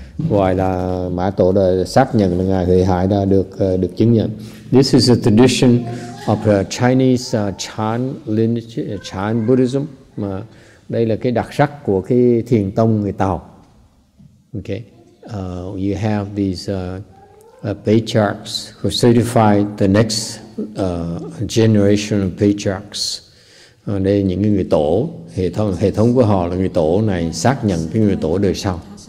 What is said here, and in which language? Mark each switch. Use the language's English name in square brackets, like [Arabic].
[Vietnamese] Gọi là Mã Tổ đã xác nhận là ngài Huệ Hải đã được chứng nhận. [English] This is a tradition of Chinese Chan lineage, Chan Buddhism. [Vietnamese] Mà đây là cái đặc sắc của cái thiền tông người Tàu. [English] Okay, you have these patriarchs who certify the next generation of patriarchs. [Vietnamese] Đây là những cái người tổ, hệ thống của họ là người tổ này xác nhận cái người tổ đời sau.